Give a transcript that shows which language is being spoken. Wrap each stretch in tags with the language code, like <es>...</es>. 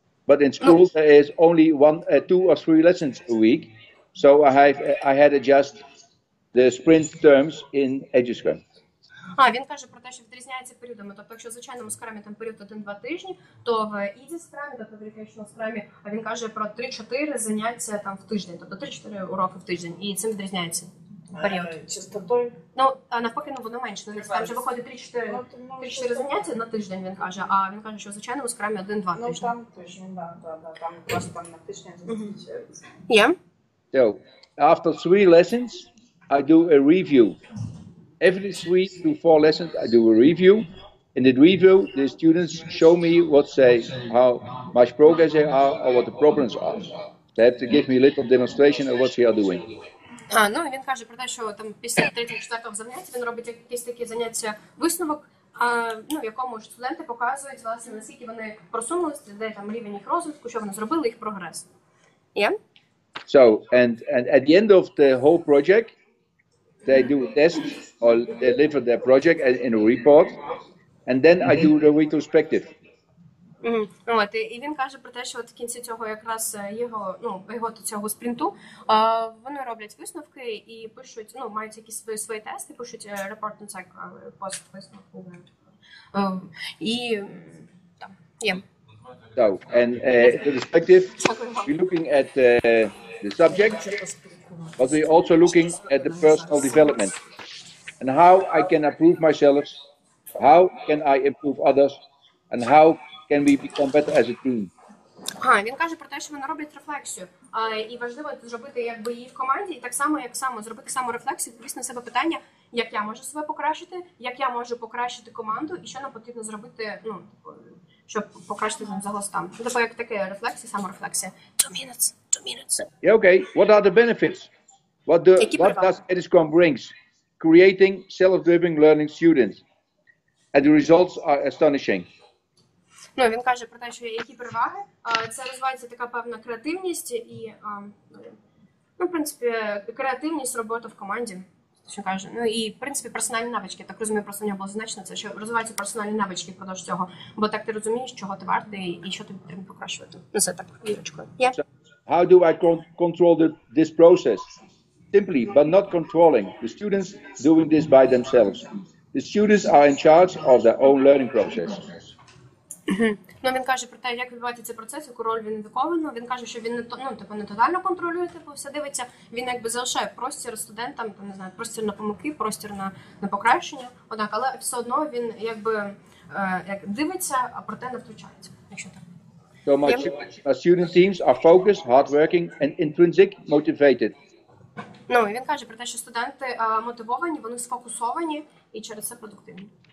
<en>But in school there is only 1, 2 or 3 lessons a week. So I had adjust the sprint terms in AgileScrum.</en> <uk>А, він каже про те, що відрізняється періодами. Тобто, якщо в звичайному скрамі там період 1-2 тижні, то в Easy скрамі, тобто в рефлекційному скрамі, а він каже про 3-4 заняття там в тиждень, тобто 3-4 уроки в тиждень, і цим відрізняється. період. Частотою? Ну, а навпаки, ну, воно менше. Ну, там вже виходить 3-4, 3-4 заняття на тиждень, він каже. А він каже, що в звичайному скрамі 1-2 тижні. Ну, там тиждень, так, да, там на тиждень зустрічаються.</uk> <en>Yeah. So, after 3 lessons, I do a review. Every 3-4 lessons, I do a review. In the review, the students show me what say, how much progress they are, or what the problems are. They have to give me a little demonstration of what they are doing.</en> <uk>А, ну, він каже про те, що там після 3-4 занять він робить якісь такі заняття висновок, а, ну, в якому ж студенти показують, власне, наскільки вони просунулися, де там рівень їх розвитку, що вони зробили, їх прогрес.</uk> <en>Yeah? So, and at the end of the whole project, they do a test or deliver their project in a report, and then I do the retrospective. Mm-hmm.</en> <uk>От, і він каже про те, що от в кінці цього якраз його, ну, його цього спринту, вони роблять висновки і пишуть, ну, мають якісь свої тести, пишуть репорт, ну, так, пост висновку. І там є.</uk> <en>So, and the retrospective, we're looking at the subject, but we're also looking at the personal development and how I can improve myself, how can I improve others, and how can we become better as a team.</en> <uk>А, він каже про те, що вони роблять рефлексію. І важливо зробити якби її в команді, і так само, як само, зробити саму рефлексію, відповісти на себе питання, як я можу себе покращити, як я можу покращити команду, і що нам потрібно зробити, ну, щоб покращити там загал стан. Ну, тобто, як таке рефлексія, саморефлексія.</uk> <en>Two minutes. Yeah, okay. What are the benefits? What does Ediscom brings? Creating self-driven learning students. And the results are astonishing.</en> <uk>Ну, він каже про те, що які переваги. Це розвивається така певна креативність і, ну, в принципі, креативність, робота в команді, що каже. Ну, і, в принципі, персональні навички. Так розумію, просто в нього було зазначено це, що розвиваються персональні навички впродовж цього. Бо так ти розумієш, чого ти вартий і що тобі треба покращувати. Ну, це так, вірочкою.</uk> <en>Yeah. So, how do I control this process? Simply, but not controlling. The students doing this by themselves. The students are in charge of their own learning process.</en> <uk>Ну, він каже про те, як відбувається цей процес, яку роль він відковано. Він каже, що він не, ну, типу, не тотально контролює, типу, все дивиться. Він якби залишає простір студентам, там, не знаю, простір на помилки, простір на покращення. Однак, але все одно він якби як дивиться, а проте не втручається, якщо так.</uk> <en>So my student teams are focused, hardworking and intrinsic motivated.</en> <uk>Ну, він каже про те, що студенти мотивовані, вони сфокусовані і через це продуктивні.</uk>